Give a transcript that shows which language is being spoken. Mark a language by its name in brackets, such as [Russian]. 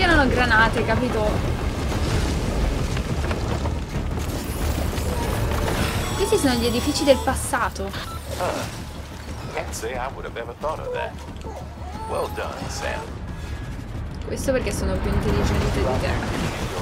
[Italian] Granate, capito? Questi sono gli edifici del passato. [English] Can't say I would have ever thought of that. Well done, Sam. [Italian] Questo perché sono più intelligente di te.